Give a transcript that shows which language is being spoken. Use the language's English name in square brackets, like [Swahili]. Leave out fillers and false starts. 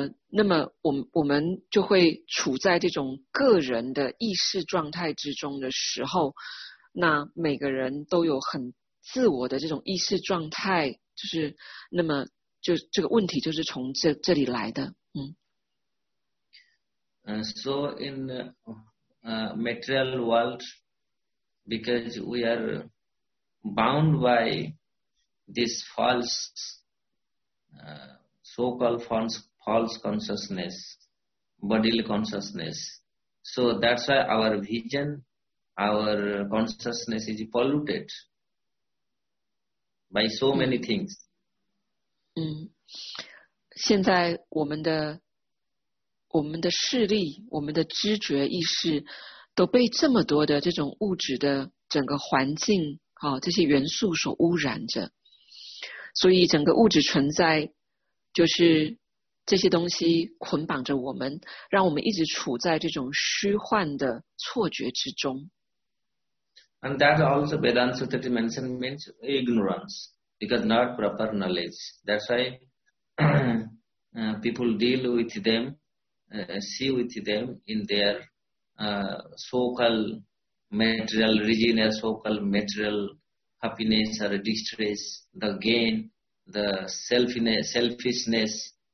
[Chinese] 那么我们就会处在这种个人的意识状态之中的时候，那每个人都有很自我的这种意识状态，就是那么就这个问题就是从这里来的。 [English] So in the material world, because we are bound by this false, so-called false consciousness, bodily consciousness. So that's why our vision, our consciousness is polluted by so many things. [Chinese] 现在我们的视力，我们的知觉意识都被这么多的这种物质的整个环境这些元素所污染着，所以整个物质存在就是这些东西捆绑着我们，让我们一直处在这种虚幻的错觉之中。 [English] And that also Vedanta that mentioned means ignoranceBecause not proper knowledge. That's why people deal with them, see with them in their so-called material region, so-called material happiness or distress, the gain, the selfishness.